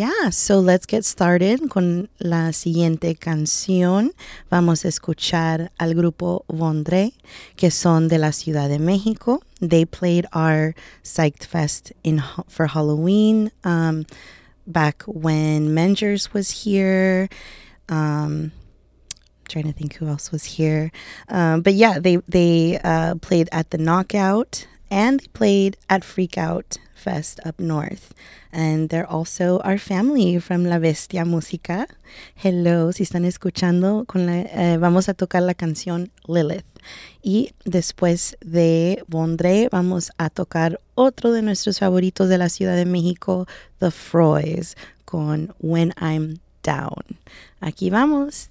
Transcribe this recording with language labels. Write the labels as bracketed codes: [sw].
[en] So let's get started [es] con la siguiente canción. Vamos a escuchar al grupo Vondré, que son de la Ciudad de México. [en] They played our Psyched Fest for Halloween back when Menger's was here. Trying to think who else was here. They played at the Knockout and they played at Freak Out Fest up north. And they're also our family from La Bestia Música. [es] Hello, si están escuchando, vamos a tocar la canción Lilith. Y después de Vondré, vamos a tocar otro de nuestros favoritos de la Ciudad de México, The Froys, con When I'm Down. Aquí vamos.